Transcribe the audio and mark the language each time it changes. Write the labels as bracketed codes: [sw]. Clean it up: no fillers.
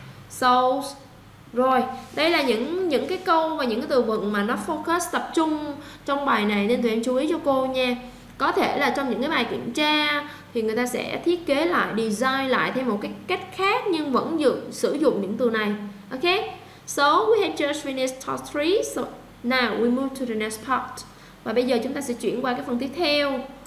[vi] So, rồi, đây là những cái câu và những cái từ vựng mà nó focus tập trung trong bài này nên tụi em chú ý cho cô nha. Có thể là trong những cái bài kiểm tra thì người ta sẽ thiết kế lại, design lại theo một cái cách khác nhưng vẫn sử dụng những từ này. [en] Ok? So, we have just finished top 3. So, now we move to the next part. [vi] Và bây giờ chúng ta sẽ chuyển qua cái phần tiếp theo.